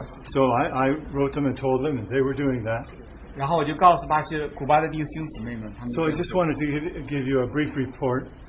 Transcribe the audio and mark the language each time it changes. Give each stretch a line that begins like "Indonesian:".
English: So I wrote them and told them, and they were doing that.
Chinese: 然后我就告诉巴西古巴的弟兄姊妹们，他们。
English: So I just wanted to give you a brief report.